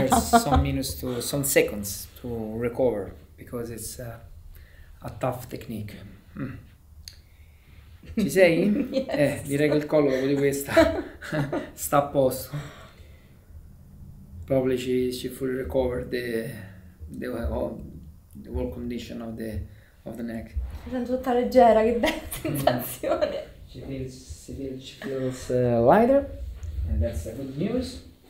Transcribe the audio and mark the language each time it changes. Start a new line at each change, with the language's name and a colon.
English: Her some minutes to some seconds to recover because it's a tough technique.
Italian: Mm. Ci sei?
English: Yes.
Italian: Direi che il collo dopo di questa sta a posto.
English: Probably she fully recovered the whole condition of the neck.
Italian: Mi sento tutta leggera, che bella sensazione.
English: She feels lighter, and that's a good news.